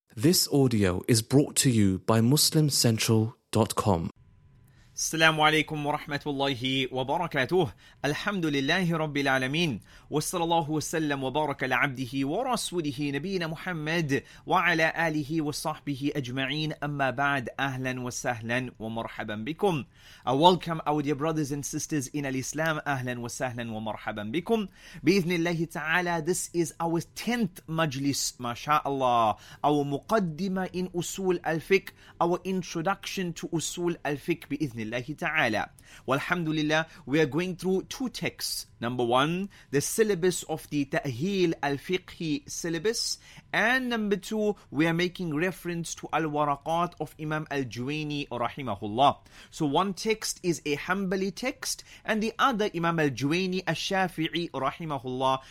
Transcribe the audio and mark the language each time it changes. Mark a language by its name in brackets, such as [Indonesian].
[English] This audio is brought to you by MuslimCentral.com. [Arabic] السلام عليكم ورحمة الله وبركاته. الحمد لله رب العالمين، وصلى الله وسلم وبارك على عبده ورسوله نبينا محمد وعلى آله وصحبه أجمعين. أما بعد، أهلا وسهلا ومرحبا بكم. [English] Welcome our dear brothers and sisters in Islam. [Arabic] أهلا وسهلا ومرحبا بكم. بإذن الله تعالى، [English] this is our 10th مجلس [Arabic] ما شاء الله، [English] our مقدمة in أصول الفقه، our introduction to أصول الفقه بإذن الله تعالى. [Arabic] والحمد لله، [English] we are going through two texts. Number one, the syllabus of the تأهيل الفقهي syllabus. And number two, we are making reference to الورقات of Imam Al-Juwayni [Arabic] رحمه الله. [English] So one text is a Hanbali text and the other Imam Al-Juwayni الشافعي [Arabic] رحمه الله.